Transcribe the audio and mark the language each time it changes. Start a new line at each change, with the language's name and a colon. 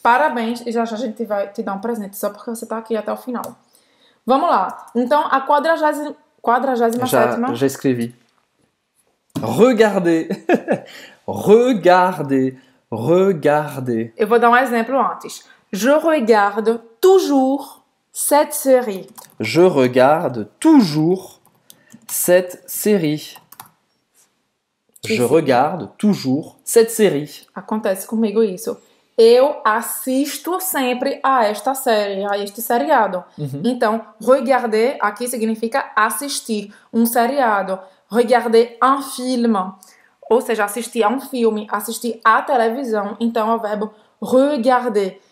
Portuguese: Parabéns. E já a gente vai te dar um presente, só porque você está aqui até o final. Vamos lá. Então, a 47ª. Já escrevi.
French: Regardez. Regardez. Regardez.
Portuguese: Eu vou dar um exemplo antes.
French: Je regarde toujours cette série. Je regarde toujours cette série. Je regarde toujours cette série.
Portuguese: Acontece comigo isso. Eu assisto sempre a esta série, a este seriado. Uhum. Então, regarder aqui significa assistir um seriado.
French: Regarder un film.
Portuguese: Ou seja, assistir a um filme, assistir à televisão. Então, é o verbo regarder.